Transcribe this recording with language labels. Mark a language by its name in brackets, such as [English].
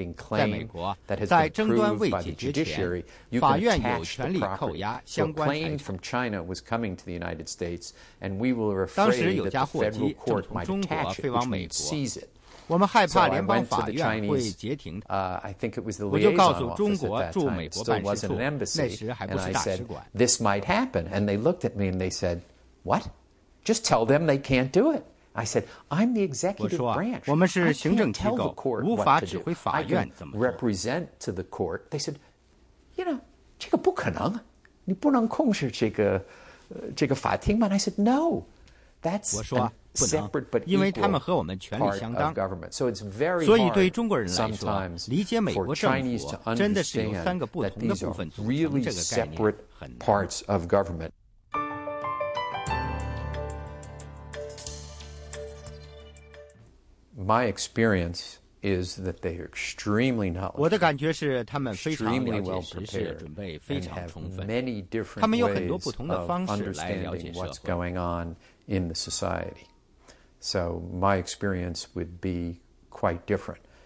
[Chinese] 在美国，在争端未解决前，法院有权利扣押相关财产。当时有架货机正从中国飞往美国，我们害怕联邦法院会截停它，我就告诉中国驻美国办事处，那时还不是大使馆。 [English] This might happen, and they looked at me and they said, "What? Just tell them they can't do it." I said, "I'm the executive branch." [Chinese] 我们是行政机构，无法指挥法院怎么做。 [English] I represent to the court. They said, "You know, [Chinese] 这个不可能，你不能控制这个法庭吗?" [English] I said, "No, that's." [Chinese] 不能，因为他们和我们权力相当，所以对于中国人来说，理解美国政府真的是由三个不同的部分组成，这个概念很难。 [English] My experience is that they are extremely knowledgeable. [Chinese] 我的感觉是他们非常了解时事，准备非常充分，他们有很多不同的方式来了解社会。 [English] So my experience would be quite different.